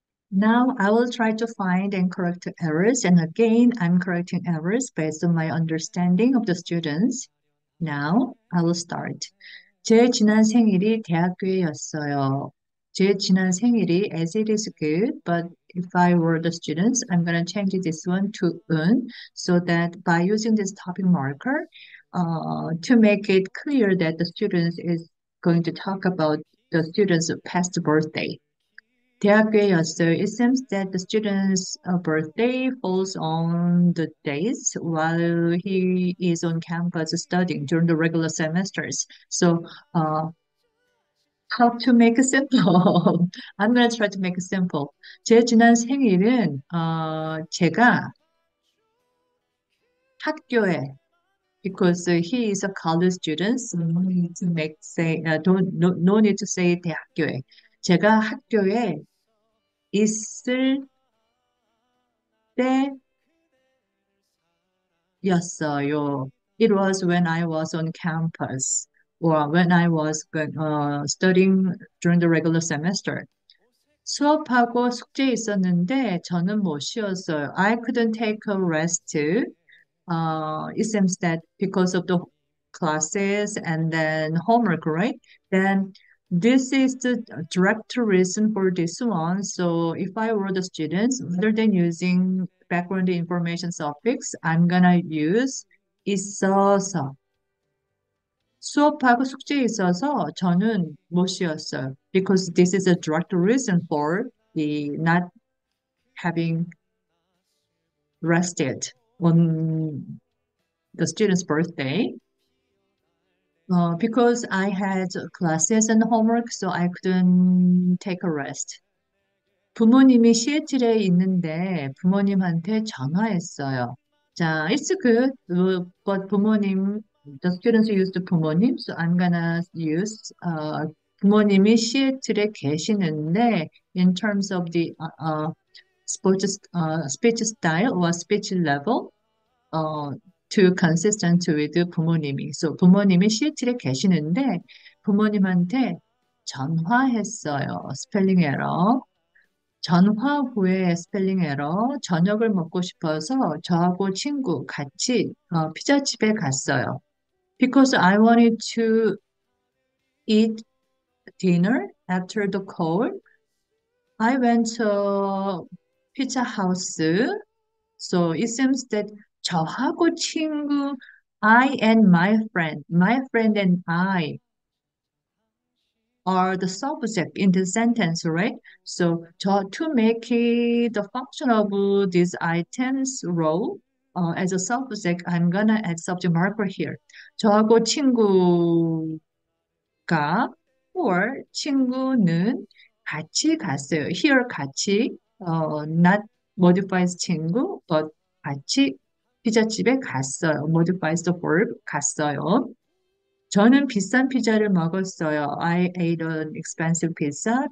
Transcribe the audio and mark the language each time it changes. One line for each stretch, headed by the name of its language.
English: Now I will try to find and correct errors, and again I'm correcting errors based on my understanding of the students. Now I will start.
Korean: 제 지난 생일이 대학교였어요. 제 지난 생일이
English: as it is good, but if I were the students, I'm going to change this one to 은 so that by using this topic marker to make it clear that the students is going to talk about the students' past birthday.
Korean: 대학교였어요.
English: It seems that the student's birthday falls on the days while he is on campus studying during the regular semesters. So, how to make it simple? I'm going to try to make it simple.
Korean: 제 지난 생일은 제가 학교에
English: because he is a college student, so no need to make say no need to say
Korean: 대학교에. 제가 학교에 있을 때였어요.
English: It was when I was on campus or when I was studying during the regular semester.
Korean: 수업하고 숙제 있었는데 저는 못 쉬었어요.
English: I couldn't take a rest too. It seems that because of the classes and then homework, right? Then this is the direct reason for this one. So if I were the students, rather than using background information suffix, I'm gonna use 있어서.
Korean: 수업하고 숙제 있어서 저는 못 쉬었어요.
English: Because this is a direct reason for the not having rested on the student's birthday. Because I had classes and homework, so I couldn't take a rest.
Korean: 부모님이 시애틀에 있는데 부모님한테 전화했어요.
English: 자, it's good, but 부모님, the students used the 부모님, so I'm gonna use
Korean: 부모님이 시애틀에 계시는데
English: in terms of the speech style or speech level, to consistent with 부모님이.
Korean: So 부모님이 시애틀에 계시는데 부모님한테 전화했어요.
English: Spelling error.
Korean: 전화 후에
English: spelling error.
Korean: 저녁을 먹고 싶어서 저하고 친구 같이 피자집에 갔어요.
English: Because I wanted to eat dinner after the call, I went to pizza house. So it seems that
Korean: 저하고 친구,
English: I and my friend and I are the subject in this sentence, right? So to make the function of these items role as a subject, I'm gonna add subject marker here.
Korean: 저하고 친구가 or 친구는 같이 갔어요. Here 같이,
English: not modifies
Korean: 친구, but 같이 피자집에 갔어요.
English: Modifies the verb, 갔어요.
Korean: 저는 비싼 피자를 먹었어요.
English: I ate an expensive pizza.